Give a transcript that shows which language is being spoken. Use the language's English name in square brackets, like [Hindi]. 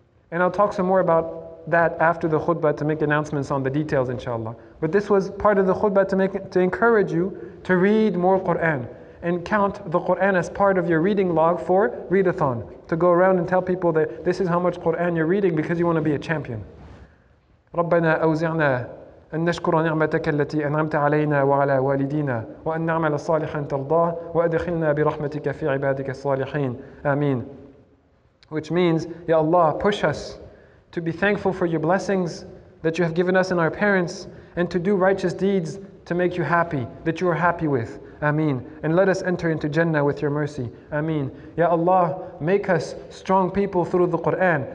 [English] And I'll talk some more about that after the khutbah to make announcements on the details, inshallah. But this was part of the khutbah to encourage you to read more Quran and count the Quran as part of your reading log for readathon, to go around and tell people that this is how much Quran you're reading because you want to be a champion. [Arabic] ربنا أوزعنا أن نشكر نعمتك التي أنعمت علينا وعلى والدينا وأن نعمل صالحا ترضاه وأدخلنا برحمتك في عبادك الصالحين آمين. [English] Which means, Ya Allah, push us to be thankful for your blessings that you have given us and our parents, and to do righteous deeds to make you happy, that you are happy with. Ameen. And let us enter into Jannah with your mercy. Ameen. Ya Allah, make us strong people through the Qur'an.